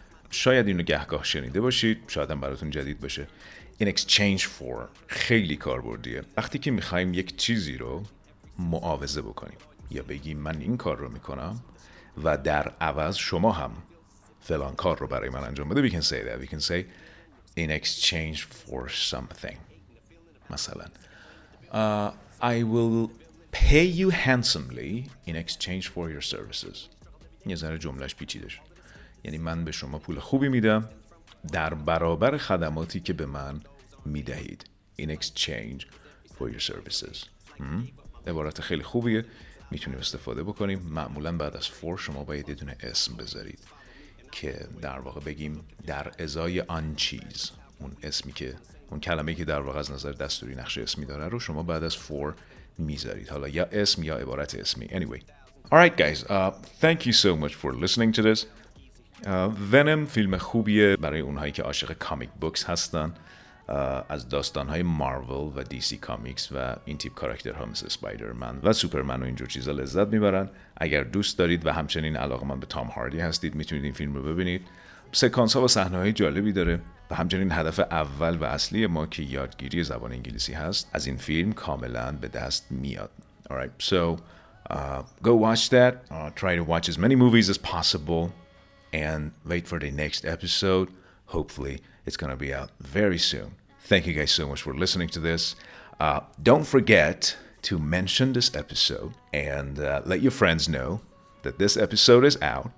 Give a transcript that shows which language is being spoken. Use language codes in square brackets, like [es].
[fa] شاید اینو گهگاه شنیده باشید، شاید هم براتون جدید باشه. In exchange for خیلی کاربردیه. وقتی که میخواییم یک چیزی رو معاوضه بکنیم، یا بگی من این کار رو میکنم و در عوض شما هم فلان کار رو برای من انجام بده، [en] we can say in exchange for something. مثلا I will pay you handsomely in exchange for your services. [fa] یه ذره جملهش پیچیده شد، یعنی من به شما پول خوبی میدم در برابر خدماتی که به من میدهید. [en] In exchange for your services. [fa] عبارت خیلی خوبیه، میتونیم استفاده بکنیم. معمولا بعد از فور شما باید یه دونه اسم بذارید که در واقع بگیم در ازای آن چیز. اون اسمی که، اون کلمه‌ای که در واقع از نظر دستوری نقش اسمی داره رو شما بعد از فور میذارید، حالا یا اسم یا عبارت اسمی. [en] Anyway. Alright guys, thank you so much for listening to this. [fa] Venom فیلم خوبیه برای اونهایی که عاشق کامیک بوکس هستن، از داستان‌های مارول و دی سی کامیکس و این تیپ کاراکترها مثل اسپایدرمن و سوپرمن و اینجور چیزا لذت میبرن. اگر دوست دارید و همچنین علاقمند به تام هاردی هستید، میتونید این فیلم رو ببینید. سکانس‌ها و صحنه‌های جالبی داره و همچنین هدف اول و اصلی ما که یادگیری زبان انگلیسی هست، از این فیلم کاملاً به دست میاد. [en] Alright, so go watch that. Try to watch as many movies as possible and wait for the next episode. Hopefully it's going to be out very soon. Thank you guys so much for listening to this. Don't forget to mention this episode and let your friends know that this episode is out.